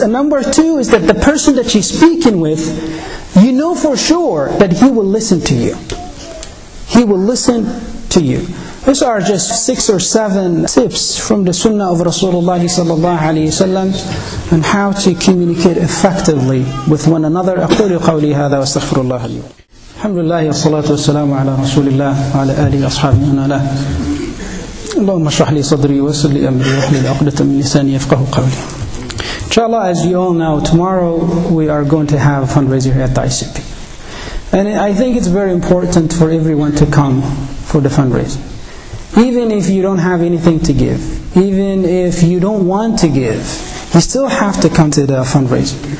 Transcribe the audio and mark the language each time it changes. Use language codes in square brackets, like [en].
[en] And number two is that the person that you're speaking with, you know for sure that he will listen to you. He will listen to you. These are just six or seven tips from the Sunnah of Rasulullah sallallahu alayhi wa sallam on how to communicate effectively with one another. [ar] أَقُولُ قَوْلِي هَذَا وَاسْتَغْفِرُ اللَّهَ لِي الحمد لله والصلاة والسلام على رسول الله وعلى آله وأصحابه أنا له اللهم اشرح لي صدري ويسر لي أمري واحلل عقدة من لساني يفقه قولي. [en] Inshallah, as you all know, tomorrow we are going to have a fundraiser here at the ICP. And I think it's very important for everyone to come for the fundraiser. Even if you don't have anything to give, even if you don't want to give, you still have to come to the fundraiser.